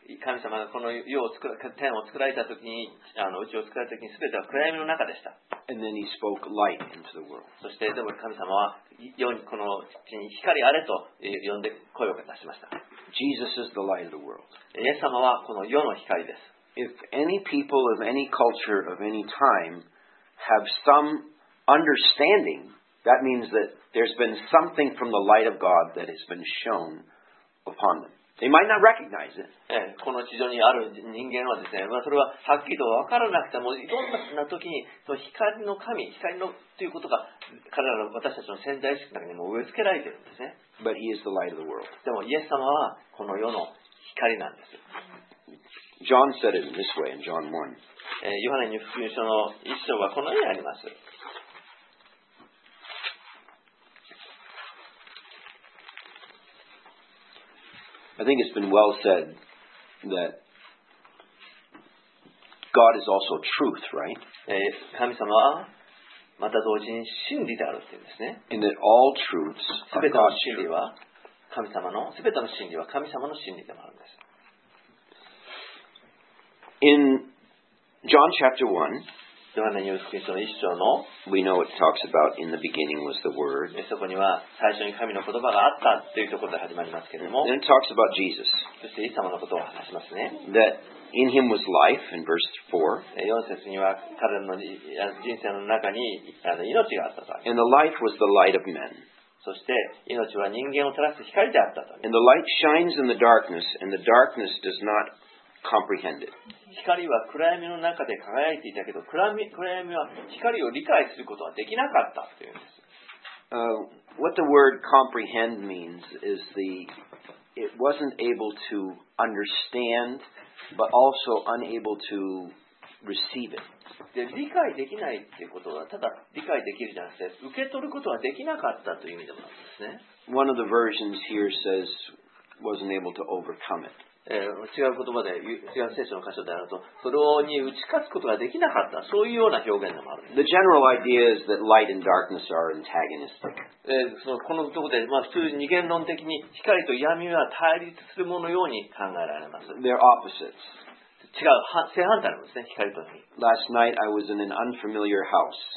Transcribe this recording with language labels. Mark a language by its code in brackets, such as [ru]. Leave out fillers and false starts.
[ja] 神様がこの世を作る天を作られた時に宇宙を作られた時に全ては暗闇の中でした。 [en] And then he spoke light into the world. [ja] そしてでも神様は世にこの地に光あれと呼んで声を出しました。 [en] Jesus is the light of the world. [ja] イエス様はこの世の光です。 [en] If any people of any culture of any time have some understanding, that means that there's been something from the light of God that has been shown upon them. They might not recognize it. [ja] この地上にある人間はですね、まあ、それははっきりと分からなくても、いろんな時にその光の神、光のということが彼らの私たちの潜在意識の中にも植え付けられているんですね。 [en] But he is the light of the world. [ja] でもイエス様はこの世の光なんです。 [en] John said it this way in John 1. [ja] ヨハネに福音書の一章はこのようにあります。 [en] I think it's been well said that God is also truth, right? [ja] 神様はまた同時に真理であるって言うんですね。 [en] And that all truths are God's truth. [ja] 神様の、全ての真理は神様の真理でもあるんです。 [en] In John chapter 1, [ja] ヨハネ福音書の一章の [en] We know it talks about in the beginning was the word. [ja] そこには最初に神の言葉があったっていうところで始まりますけれども [en] Then it talks about Jesus. [ja] そしてイエス様のことを話しますね。 [en] That in him was life in verse [ja] 4. 4節には彼の人生の中に命があったと。 [en] And the life was the light of men. [ja] そして命は人間を照らす光であったと。 [en] And the light shines in the darkness and the darkness does not comprehend it. [ja] 光は暗闇の中で輝いていたけど、暗闇は光を理解することはできなかったっていうんです。 [en] What the word comprehend means is it wasn't able to understand, but also unable to receive it. [ja] で、理解できないっていうことは、ただ理解できるじゃなくて、受け取ることはできなかったという意味でもあるんですね。 [en] One of the versions here says, wasn't able to overcome it. [ja] 違う言葉で違う聖書の箇所であるとそれに打ち勝つことができなかったそういうような表現でもあるんです。 [en] The general idea is that light and darkness are antagonistic. [ja] そのこのところで、まあ、普通二元論的に光と闇は対立するもののように考えられます。 [en] They're opposites. [ja] 違う正反対なんですね光と闇。 [en] Last night I was in an unfamiliar house.